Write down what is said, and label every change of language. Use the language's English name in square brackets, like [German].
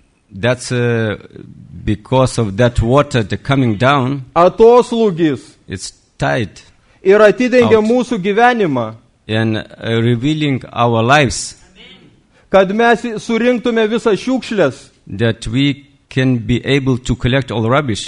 [English] That's because of that water the coming down. [Lithuanian] Atoslūgis. [English] It's tight. [Lithuanian] Ir atidengia mūsų gyvenimą. [English] And revealing our lives. [Lithuanian] Kad mes surinktume visas šiukšlės. [English] That we can be able to collect all rubbish.